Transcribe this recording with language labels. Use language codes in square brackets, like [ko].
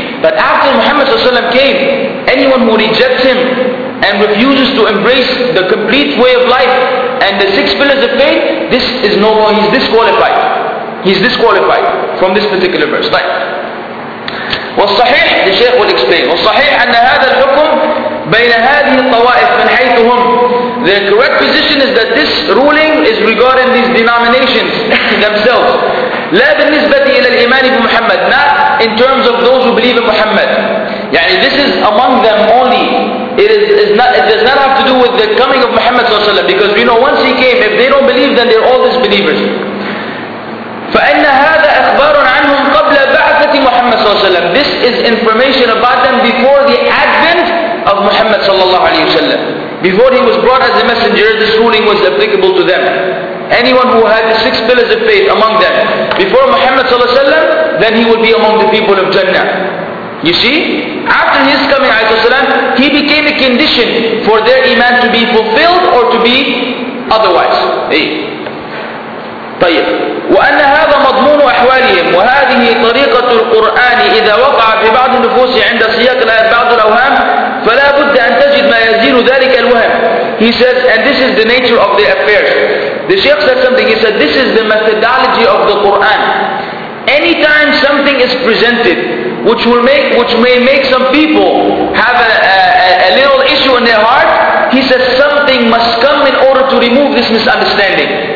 [en] But after Muhammad ﷺ came, anyone who rejects him and refuses to embrace the complete way of life and the six pillars of faith, this is no more, he's disqualified. He's disqualified from this particular verse. Right. [ar] والصحيح, [en] the Shaykh will explain. [ar] والصحيح أن هذا الحكم بين هذه الطوائف من حيث هم. [en] The correct position is that this ruling is regarding these denominations themselves. [ar] لا بالنسبة إلى الإيمان بمحمد. [en] Not in terms of those who believe in Muhammad. يعني this is among them only. It does not have to do with the coming of Muhammad صلى الله عليه وسلم. Because we know once he came, if they don't believe, then they're all disbelievers. [ar] فإن هذا أخبار عنهم قبل بعثة محمد صلى الله عليه وسلم. [en] This is information about them before the advent of Muhammad صلى الله عليه وسلم. Before he was brought as a messenger, this ruling was applicable to them. Anyone who had the six pillars of faith among them before Muhammad صلى الله عليه وسلم, then he would be among the people of Jannah. You see, after his coming عليه السلام, he became a condition for their iman to be fulfilled or to be otherwise. Hey. طيب. [ar] وأن هذا مضمون أحوالهم وهذه طريقة القرآن إذا وقع في بعض النفوس عند سياق الآيات بعض الأوهام فلا بد أن تجد ما يزيل [en] He says, and this is the nature of the affairs. The Shaykh said something, he said, this is the methodology of the Qur'an. Anytime something is presented, which may make some people have a little issue in their heart, he says something must come in order to remove this misunderstanding.